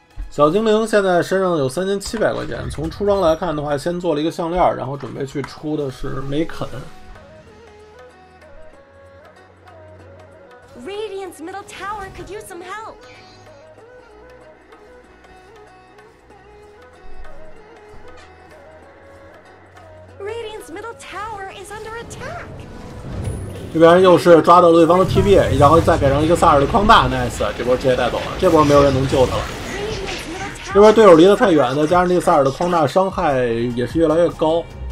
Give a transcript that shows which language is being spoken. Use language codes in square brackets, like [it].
[zh] 小精灵现在身上有3700块钱，从出装来看的话，先做了一个项链，然后准备去出的是梅肯。 [en] Radiant's middle tower could use some help. Radiant's middle tower is under attack. [zh] 这边又是抓到了对方的 TB， 然后再给上一个萨尔的框大 ，nice， 这波直接带走了，这波没有人能救他了。这边队友离得太远，再加上那个萨尔的框大，伤害也是越来越高。